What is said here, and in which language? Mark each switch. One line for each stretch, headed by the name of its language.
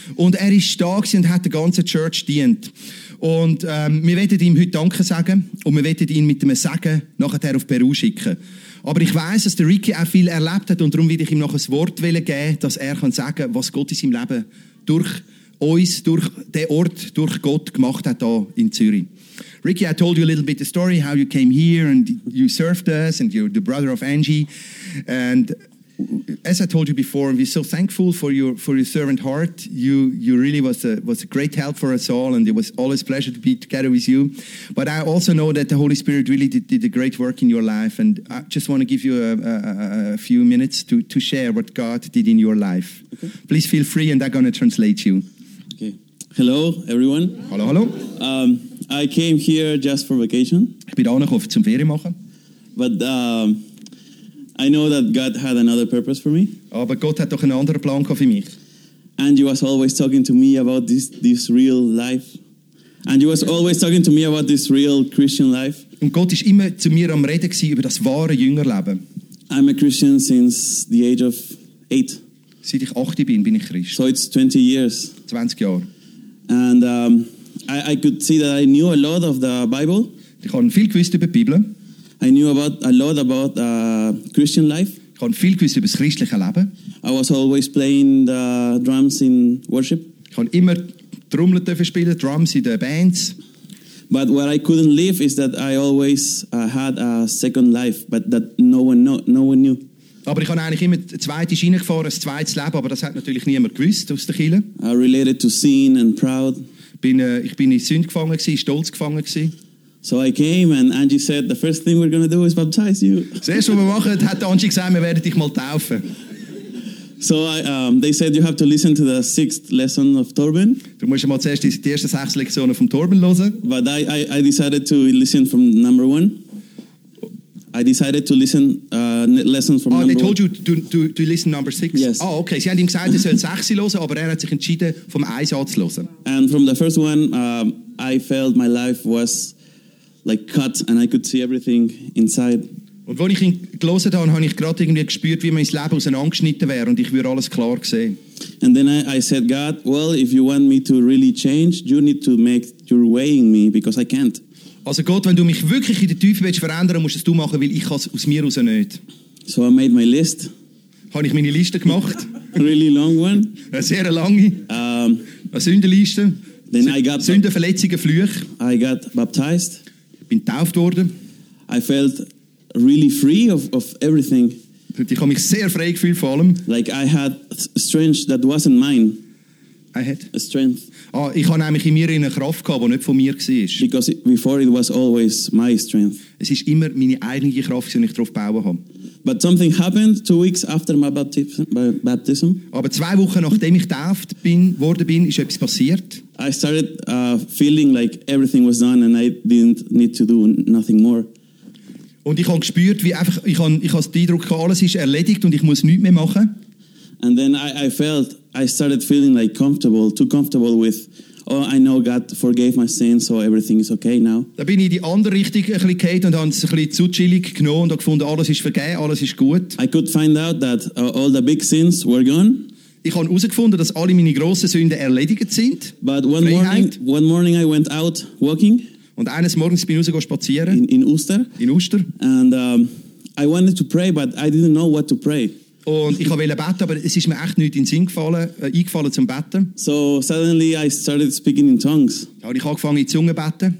German: Und er ist da gewesen und hat der ganzen Church dient. Und wir wollen ihm heute Danke sagen und wir wollen ihn mit einem Segen nachher auf Peru schicken. Aber ich weiss, dass der Ricky auch viel erlebt hat und darum will ich ihm nachher das Wort geben, dass er kann sagen kann, was Gott in seinem Leben durch uns, durch den Ort, durch Gott gemacht hat hier in Zürich.
English: Ricky, I told you a little bit the story, how you came here and you served us and you're the brother of Angie. And as I told you before, we're so thankful for your servant heart. You really was a great help for us all and it was always a pleasure to be together with you. But I also know that the Holy Spirit really did a great work in your life and I just want to give you a few minutes to share what God did in your life. Okay. Please feel free and I'm going to translate you. Okay. Hello, everyone.
German: Hallo, hallo.
English: I came here just for vacation.
German: Ich bin auch noch auf zum Ferien machen.
English: But I know that God had another purpose for me.
German: Aber Gott hat doch einen anderen Plan gehabt für mich.
English: And you was always talking to me about this real life. And you was always talking to me about this real Christian life.
German: Und Gott ist immer zu mir am Reden gewesen über das wahre Jüngerleben.
English: I'm a Christian since the age of 8.
German: Seit ich 8 bin ich Christ.
English: So it's 20 years.
German: 20 Jahre.
English: And I could see that I knew a lot of the Bible.
German: Ich habe viel gewusst über die Bibel.
English: I knew about a lot about Christian life.
German: Ich habe viel gewusst über das christliche Leben.
English: I was always playing the drums in worship.
German: Ich habe immer Trommeln dürfen spielen, Drums in den Bands.
English: But what I couldn't live is that I always had a second life, but that no one knew.
German: Aber ich habe eigentlich immer ein zweites Schiene gefahren, ein zweites Leben, aber das hat natürlich niemand gewusst aus der Kirche.
English: I related to sin and proud.
German: Ich bin in Sünde gefangen gewesen, stolz gefangen gewesen.
English: So I came and Angie said, the first thing we're going to do is baptize you.
German: Das erste, was wir machen, hat Angie gesagt, wir werden dich mal taufen.
English: So they said you have to listen to the sixth lesson of Torben.
German: Du musst mal zuerst die ersten sechs Lektionen vom Torben hören.
English: But I decided to listen from number one. I decided to listen lesson from number one. They told you to listen number six? Yes. Oh, okay.
German: Sie haben ihm gesagt, er soll sechs hören, aber er hat sich entschieden, vom eins anzuhören.
English: And from the first one, I felt my life was like cut and I could see everything inside.
German: Und als ich ihn gehört habe ich gerade irgendwie gespürt, wie mein Leben auseinandergeschnitten wäre und ich würde alles klar sehen.
English: And then I said, God, well, if you want me to really change, you need to make your way in me, because I can't.
German: Also Gott, wenn du mich wirklich in der Tiefe willst verändern, musst du es du machen, weil ich es aus mir heraus nicht.
English: So I made my list.
German: Habe ich meine Liste gemacht.
English: really long one.
German: Eine sehr lange. Eine Sündenliste.
English: Then I got
German: Sündenverletzungen, Fluch.
English: I got baptized.
German: Bin getauft worden.
English: I felt really free of everything.
German: Ich habe mich sehr frei gefühlt vor allem.
English: Like I had strength that wasn't mine. I had a strength.
German: Ah, ich habe nämlich in mir eine Kraft gehabt, die nicht von mir war.
English: Because before it was always my strength.
German: Es ist immer meine eigene Kraft, die ich darauf bauen habe.
English: But something happened 2 weeks after my baptism.
German: Aber 2 Wochen nachdem ich getauft worden bin, ist etwas passiert.
English: I started feeling like everything was done and I didn't need to do nothing more.
German: Und ich habe gespürt, wie einfach ich habe den Eindruck gehabt, alles ist erledigt und ich muss nichts mehr machen.
English: And then I started feeling like comfortable, too comfortable with, oh, I know God forgave my sins, so everything is okay now.
German: Da bin ich in die andere Richtung ein bisschen gefallen und habe es ein bisschen zu chillig genommen und habe gefunden, alles ist vergeben, alles ist gut.
English: I could find out that all the big sins were gone.
German: Ich habe herausgefunden, dass alle meine grossen Sünden erledigt sind.
English: But one morning I went out walking.
German: Und eines Morgens bin ich rausgegangen spazieren. In Uster.
English: And I wanted to pray, but I didn't know what to pray.
German: Und ich wollte beten, aber es ist mir echt nichts in den Sinn eingefallen zum Beten.
English: So suddenly I started speaking in tongues.
German: Ja, und ich habe angefangen in Zungen zu beten.